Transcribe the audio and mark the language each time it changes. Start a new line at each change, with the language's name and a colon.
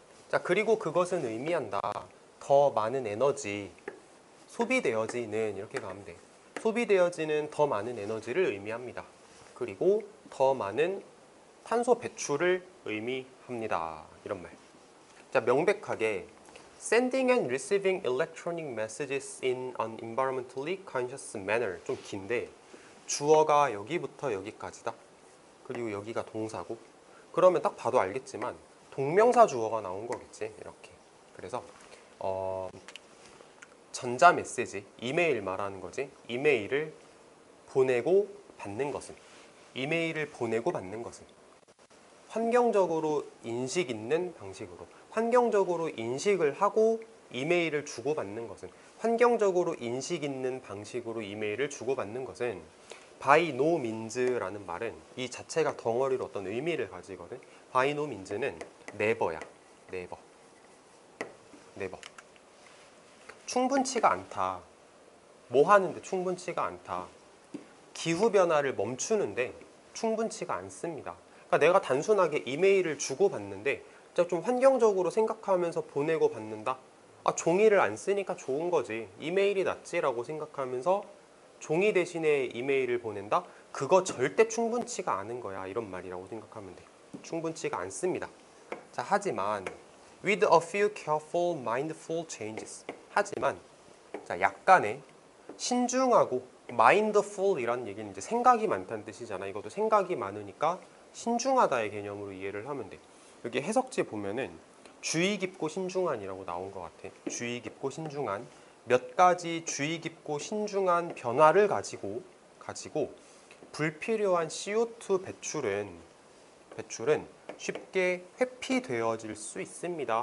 Korean: 자, 그리고 그것은 의미한다. 더 많은 에너지 소비되어지는 이렇게 가면 돼. 소비되어지는 더 많은 에너지를 의미합니다. 그리고 더 많은 탄소 배출을 의미합니다. 이런 말. 자, 명백하게
English: sending and receiving electronic messages in an environmentally conscious manner.
Korean: 좀 긴데 주어가 여기부터 여기까지다. 그리고 여기가 동사고 그러면 딱 봐도 알겠지만 동명사 주어가 나온 거겠지. 이렇게. 그래서 전자 메시지, 이메일 말하는 거지. 이메일을 보내고 받는 것은 이메일을 보내고 받는 것은 환경적으로 인식 있는 방식으로 환경적으로 인식을 하고 이메일을 주고받는 것은 환경적으로 인식 있는 방식으로 이메일을 주고받는 것은
English: by no means
Korean: 라는 말은 이 자체가 덩어리로 어떤 의미를 가지거든.
English: by no means
Korean: 는 never야.
English: never. never.
Korean: 충분치가 않다. 뭐 하는데 충분치가 않다. 기후변화를 멈추는데 충분치가 않습니다. 그러니까 내가 단순하게 이메일을 주고받는데 자, 좀 환경적으로 생각하면서 보내고 받는다. 아, 종이를 안 쓰니까 좋은 거지. 이메일이 낫지라고 생각하면서 종이 대신에 이메일을 보낸다? 그거 절대 충분치가 않은 거야. 이런 말이라고 생각하면 돼. 충분치가 않습니다. 자, 하지만
English: with a few careful mindful changes.
Korean: 하지만 자, 약간의 신중하고 mindful이라는 얘기는 이제 생각이 많다는 뜻이잖아. 이것도 생각이 많으니까 신중하다의 개념으로 이해를 하면 돼. 여기 해석지 보면은 주의 깊고 신중한이라고 나온 것 같아. 주의 깊고 신중한 몇 가지 주의 깊고 신중한 변화를 가지고 불필요한 CO2 배출은 쉽게 회피되어질 수 있습니다.